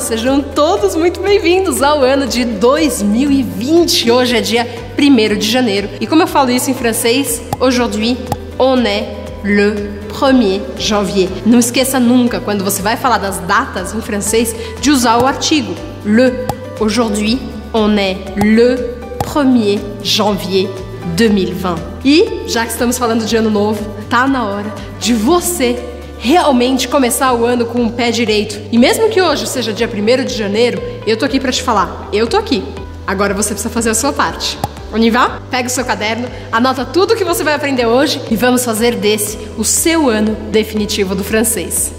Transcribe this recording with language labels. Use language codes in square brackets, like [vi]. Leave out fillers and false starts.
[pt] Sejam todos muito bem-vindos ao ano de 2020! Hoje é dia 1º de janeiro. E como eu falo isso em francês? [fr] Aujourd'hui, on est le 1er janvier. [pt] Não esqueça nunca, quando você vai falar das datas em francês, de usar o artigo le. [fr] Aujourd'hui, on est le 1er janvier 2020. [pt] E, já que estamos falando de ano novo, tá na hora de você realmente começar o ano com o pé direito. E mesmo que hoje seja dia 1º de janeiro, eu tô aqui pra te falar. Eu tô aqui. Agora você precisa fazer a sua parte. [fr] On y va? [pt] Pega o seu caderno, anota tudo o que você vai aprender hoje e vamos fazer desse o seu ano definitivo do francês.